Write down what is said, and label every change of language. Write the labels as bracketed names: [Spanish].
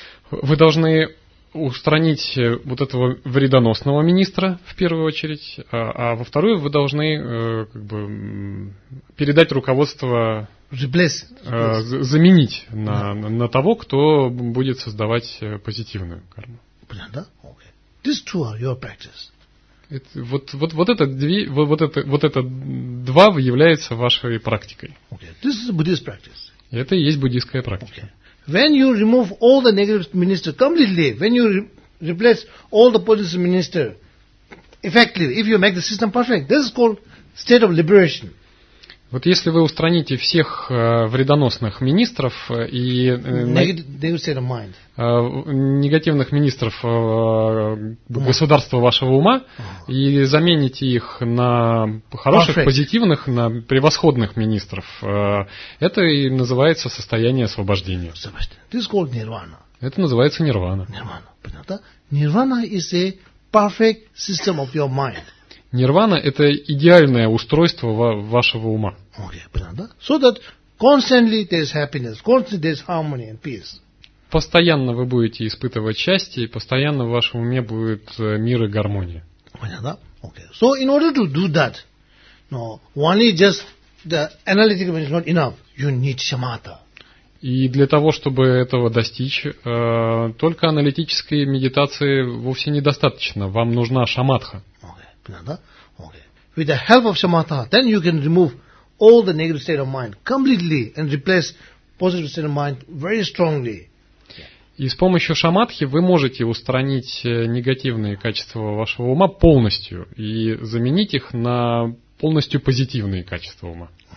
[Russian] Вы должны устранить вот этого вредоносного министра в первую очередь, а во вторую вы должны передать руководство заменить на того, кто будет создавать позитивную карму. Понятно, да? [English] Okay. These two are your practice. [Russian] Вот это два является вашей практикой. [English] Okay. This is Buddhist practice. [Russian] Это и есть буддийская практика. [English] Okay. When you remove all the negative minister completely, when you replace all the positive minister effectively, if you make the system perfect, this is called state of liberation. [Russian] Вот если вы устраните всех вредоносных министров и негативных министров государства вашего ума и замените их на хороших, позитивных, на превосходных министров, это и называется состояние освобождения. [English] This is called nirvana. [Russian] Это называется нирвана. Nirvana, понятно? [English] Nirvana is a perfect system of your mind. [Russian] Нирвана – это идеальное устройство вашего ума. [English] So that constantly there's happiness, constantly there's harmony and peace. [Russian] Постоянно вы будете испытывать счастье, постоянно в вашем уме будет мир и гармония. Понятно? Okay. [English] So in order to do that, no, only just the analytical mind is not enough. You need shamatha. [Russian] И для того, чтобы этого достичь, только аналитической медитации вовсе недостаточно. Вам нужна шамадха. [English] With the help of shamatha, then you can remove all the negative state of mind completely and replace positive state of mind very strongly. [Russian] И с помощью шамадхи вы можете устранить негативные качества вашего ума полностью и заменить их на полностью позитивные качества ума.